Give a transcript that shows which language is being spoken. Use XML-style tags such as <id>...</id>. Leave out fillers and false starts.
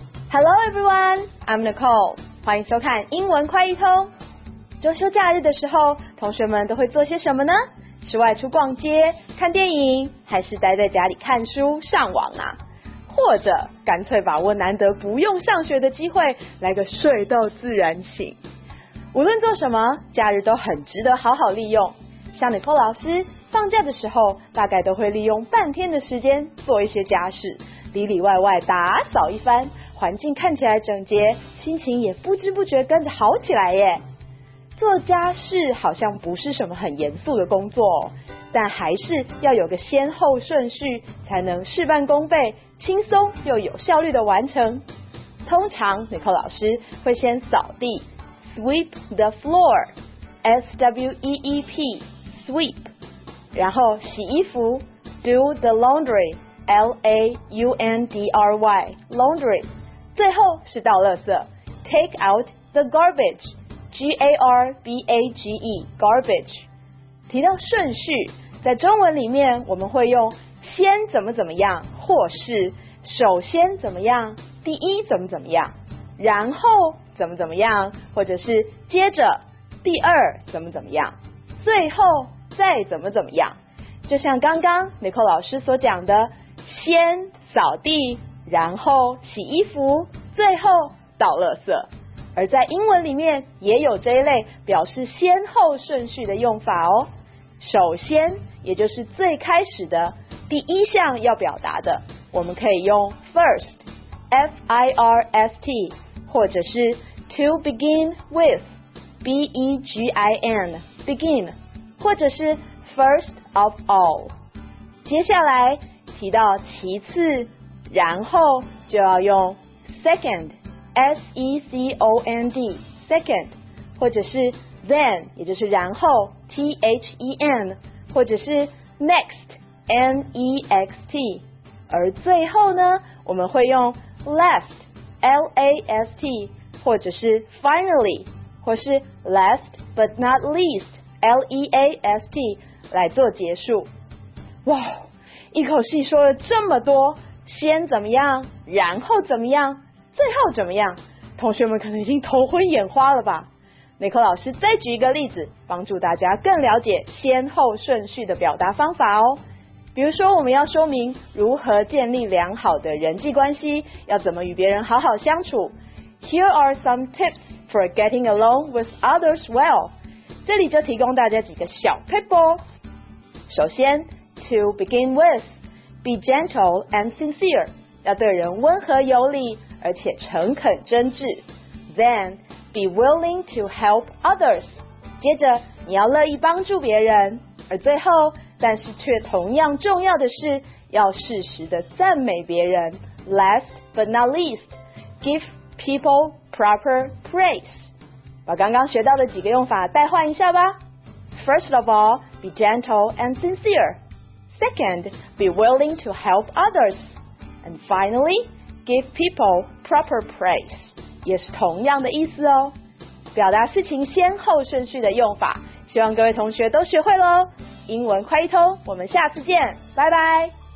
<en>Hello everyone, I'm Nicole.</en> <zh>欢迎收看英文快译通。周休假日的时候，同学们都会做些什么呢？是外出逛街、看电影，还是待在家里看书、上网啊？或者干脆把握难得不用上学的机会，来个睡到自然醒。无论做什么，假日都很值得好好利用。像Nicole老师，放假的时候大概都会利用半天的时间做一些家事，里里外外打扫一番。环境看起来整洁，心情也不知不觉跟着好起来耶。做家事好像不是什么很严肃的工作，但还是要有个先后顺序，才能事半功倍，轻松又有效率的完成。通常 Nicole 老师会先扫地 ，</zh> <en>sweep the floor，</en> <zh>S-W-E-E-P，sweep， 然后洗衣服 ，</zh> <en>do the laundry，</en> <zh>L-A-U-N-D-R-Y，laundry。最后是倒垃圾 ，</zh> <en>take out the garbage，</en> <zh>G-A-R-B-A-G-E，garbage。提到顺序，在中文里面我们会用先怎么怎么样，或是首先怎么样，第一怎么怎么样，然后怎么怎么样，或者是接着第二怎么怎么样，最后再怎么怎么样。就像刚刚 Nicole 老师所讲的，先扫地。然后洗衣服，最后倒垃圾。而在英文里面也有这一类表示先后顺序的用法哦。首先，也就是最开始的第一项要表达的，我们可以用 first， F I R S T， 或者是</zh> <en>to begin with，</en> <zh>B E G I N， begin， 或者是</zh> <en>first of all。</en> <zh>接下来提到其次，然后就要用 second， S-E-C-O-N-D， second， 或者是 then， 也就是然后 T-H-E-N， 或者是 next， N-E-X-T。而最后呢，我们会用 last， L-A-S-T， 或者是 finally， 或是</zh> <en>last but not least，</en> <zh>L-E-A-S-T， 来做结束。哇，一口气说了这么多，先怎么样，然后怎么样，最后怎么样，同学们可能已经头昏眼花了吧。美科老师再举一个例子，帮助大家更了解先后顺序的表达方法哦。比如说，我们要说明如何建立良好的人际关系，要怎么与别人好好相处。</zh> <en>Here are some tips for getting along with others well。</en> <zh>这里就提供大家几个小 tip 哦。首先，</zh> <en>to begin withBe gentle and sincere，</en> <zh>要对人温和有礼，而且诚恳真挚。</zh> <en>Then be willing to help others，</en> <zh>接着你要乐意帮助别人。而最后，但是却同样重要的是，要适时的赞美别人。</zh> <en>Last but not least， give people proper praise。</en> <zh>把刚刚学到的几个用法代换一下吧。</zh> <en>First of all， be gentle and sincereSecond, be willing to help others. And finally, give people proper praise.</en> <zh>也是同样的意思哦。表达事情先后顺序的用法，希望各位同学都学会咯。英文快一通，我们下次见，拜拜。</zh>